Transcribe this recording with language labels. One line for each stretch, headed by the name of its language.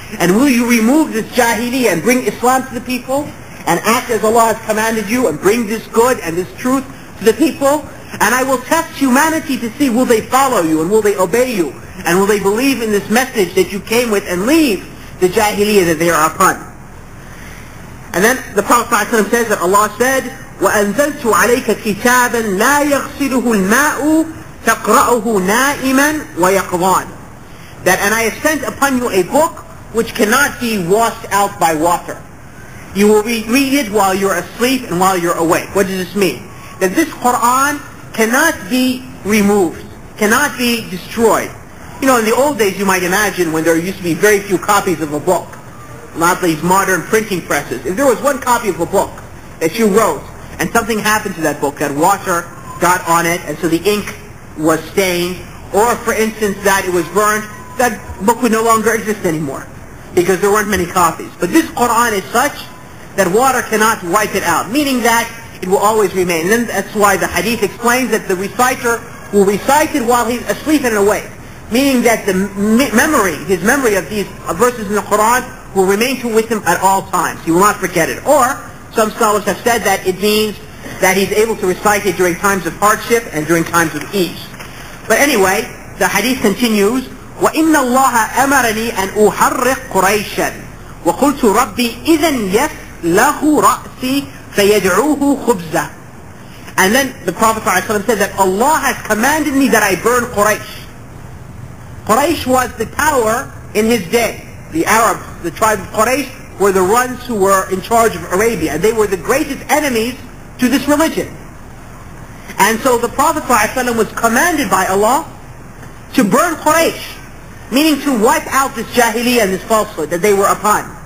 English: And will you remove this jahiliyyah and bring Islam to the people? And act as Allah has commanded you and bring this good and this truth to the people? And I will test humanity to see will they follow you and will they obey you and will they believe in this message that you came with and leave the jahiliyyah that they are upon. And then the Prophet ﷺ says that Allah said,
Arabic: وَأَنزَلْتُ عَلَيْكَ كِتَابًا لَا يَغْسِلُهُ الْمَاءُ تَقْرَأُهُ نَائِمًا وَيَقْضَانُ.
English: That, and I have sent upon you a book which cannot be washed out by water. You will read it while you're asleep and while you're awake. What does this mean? That this Qur'an cannot be removed, cannot be destroyed. You know, in the old days you might imagine when there used to be very few copies of a book, not these modern printing presses. If there was one copy of a book that you wrote and something happened to that book, that water got on it and so the ink was stained, or for instance that it was burned, that book would no longer exist anymore because there weren't many copies. But this Qur'an is such that water cannot wipe it out, meaning that it will always remain. And that's why the hadith explains that the reciter will recite it while he's asleep and awake, meaning that the memory, his memory of these verses in the Quran will remain with him at all times. He will not forget it. Or, some scholars have said that it means that he's able to recite it during times of hardship and during times of ease. But anyway, the hadith continues,
Arabic: وَإِنَّ اللَّهَ أَمَرَنِي أَنْ أُحَرِّقْ قُرَيْشًا وَقُلْتُ رَبِّي إِذَنْ يَفْ لَهُ رَأْسِي فَيَدْعُوهُ خُبْزًا.
English: And then the Prophet ﷺ said that Allah has commanded me that I burn Quraysh. Quraysh was the power in his day. The Arabs, the tribe of Quraysh, were the ones who were in charge of Arabia. And they were the greatest enemies to this religion. And so the Prophet ﷺ was commanded by Allah to burn Quraysh, meaning to wipe out this jahiliyyah and this falsehood that they were upon.